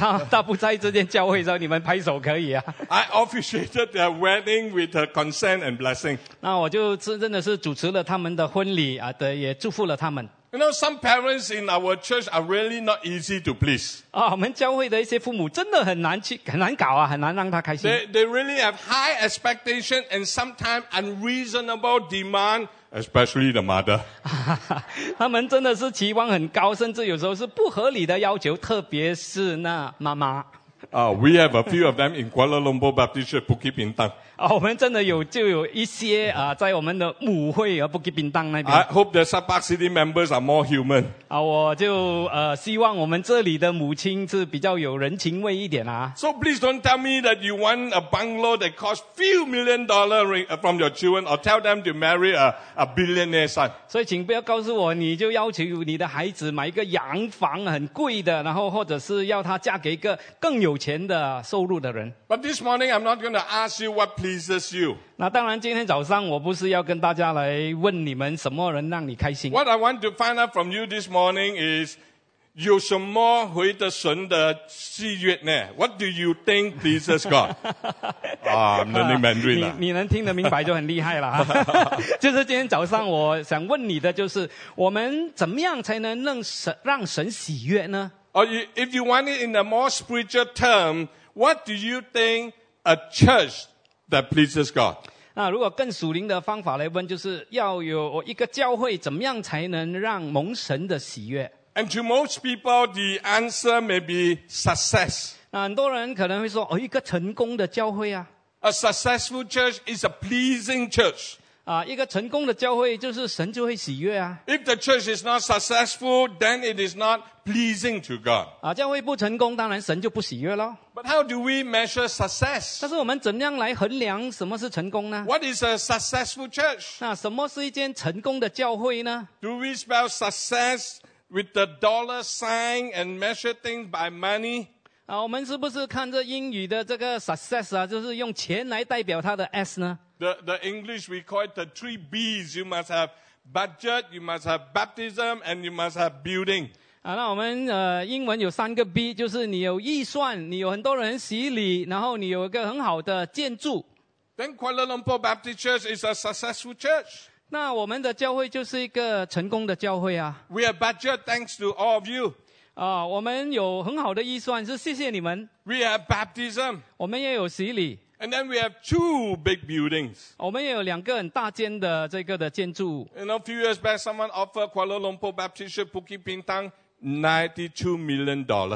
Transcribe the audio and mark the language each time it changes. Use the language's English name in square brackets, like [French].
[Chinese] 他不在这间教会上，你们拍手可以啊。 [English] I officiated their wedding with her consent and blessing. [Chinese] 那我就真的是主持了他们的婚礼啊，对，也祝福了他们。 [English] You know, some parents in our church are really not easy to please. [Chinese] 我们教会的一些父母真的很难搞啊，很难让他开心。 [English] They really have high expectation and sometimes unreasonable demand. Especially the mother. [Chinese] 他们真的是期望很高，甚至有时候是不合理的要求，特别是那妈妈。 [English] We have a few of them in Kuala Lumpur Baptist Church, Bukit Bintang. [Chinese] 我们真的有就有一些在我们的母会啊，Bukit Bintang 那边。 [English] I hope that South Park City members are more human. [Chinese] 我就希望我们这里的母亲是比较有人情味一点啊。 [English] So please don't tell me that you want a bungalow that costs few million dollars from your children, or tell them to marry a billionaire son. [Chinese] 所以请不要告诉我，你就要求你的孩子买一个洋房很贵的，然后或者是要他嫁给一个更有钱的收入的人。 [English] But this morning I'm not going to ask you what pleases you. [Chinese] 那当然今天早上我不是要跟大家来问你们什么人让你开心。 [English] What I want to find out from you this morning is, [Chinese] 有什么回的神的喜悦呢? [English] What do you think pleases God? I'm learning Mandarin. [Chinese] 你能听得明白就很厉害了。就是今天早上我想问你的就是我们怎么样才能让神喜悦呢? [English] Or if you want it in a more spiritual term, what do you think a church that pleases God? [Chinese] 那如果更属灵的方法来问就是要有一个教会怎么样才能让蒙神的喜悦? [English] And to most people, the answer may be success. [Chinese] 那很多人可能会说一个成功的教会啊。 [English] A successful church is a pleasing church. [Chinese] 一个成功的教会就是神就会喜悦啊。 [English] If the church is not successful, then it is not pleasing to God. [Chinese] 教会不成功当然神就不喜悦咯。 [English] But how do we measure success? [Chinese] 但是我们怎样来衡量什么是成功呢? [English] What is a successful church? [Chinese] 那什么是一间成功的教会呢? [English] Do we spell success with the dollar sign and measure things by money? [Chinese] 我们是不是看着英语的这个 success 啊，就是用钱来代表它的 S 呢? [English] The English we call it the three B's. You must have budget, you must have baptism, and you must have building. [Chinese] 那我们英文有三个 B， 就是你有预算，你有很多人洗礼，然后你有一个很好的建筑。 [English] Then Kuala Lumpur Baptist Church is a successful church. [Chinese] 那我们的教会就是一个成功的教会啊。 [English] We have budget thanks to all of you. [Chinese] 我们有很好的预算，是谢谢你们。 [English] We have baptism. [Chinese] 我们也有洗礼。 [English] And then we have two big buildings. [Chinese] 我们也有两个很大间的这个的建筑。 [English] And a few years back, someone offered Kuala Lumpur Baptist Church Bukit Bintang $92 million.